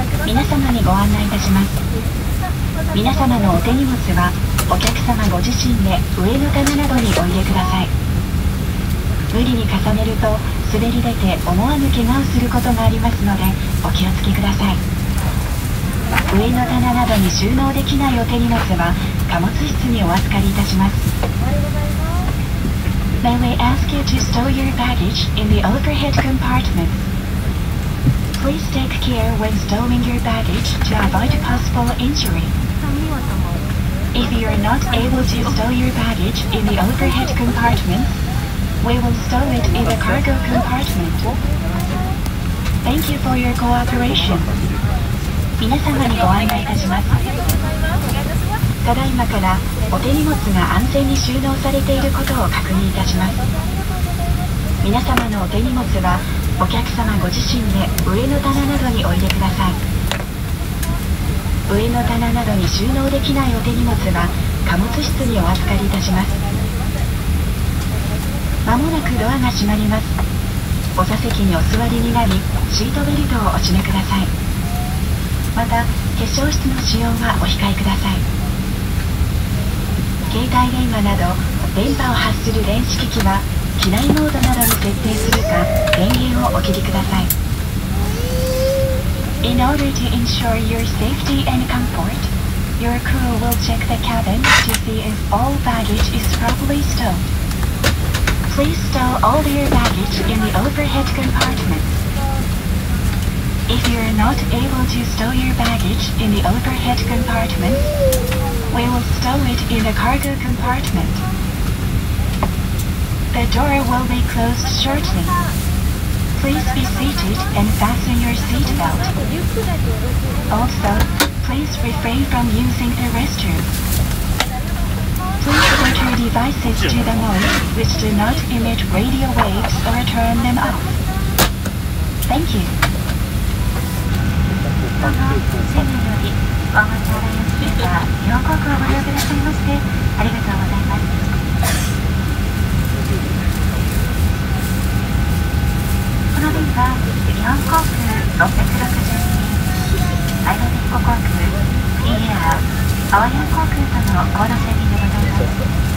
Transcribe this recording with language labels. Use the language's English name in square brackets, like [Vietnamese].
[Japanese] 皆様にご案内いたします。皆様のお手荷物はお客様ご自身で上の棚などにお入れください。無理に重ねると滑り出て思わぬ怪我をすることがありますのでお気をつけください。上の棚などに収納できないお手荷物は貨物室にお預かりいたします。 [English] May we ask you to store your baggage in the overhead compartment. Please take care when storing your baggage to avoid possible injury. If you are not able to store your baggage in the overhead compartment, we will store it in the cargo compartment. Thank you for your cooperation. [Japanese] 皆様にご案内いたします。ただいまからお手荷物が安全に収納されていることを確認いたします。皆様のお手荷物はお客様ご自身で上の棚などにお入れください。上の棚などに収納できないお手荷物は貨物室にお預かりいたします。まもなくドアが閉まります。お座席にお座りになりシートベルトをお締めください。また化粧室の使用はお控えください。携帯電話など電波を発する電子機器は機内モードなどに設定するか電源をお切りください。 [English] In order to ensure your safety and comfort, your crew will check the cabin to see if all baggage is properly stowed. Please stow all your baggage in the overhead compartment. If you are not able to stow your baggage in the overhead compartment,We will stow it in the cargo compartment. The door will be closed shortly. Please be seated and fasten your seat belt. Also, please refrain from using the restroom. Please put your devices to the mode which do not emit radio waves or turn them off. Thank you. [Japanese] では、日本航空をご利用くださいまして、ありがとうございます。この便は、日本航空662、大分空港航空、フリーエア、青山航空とのコード制限でございます。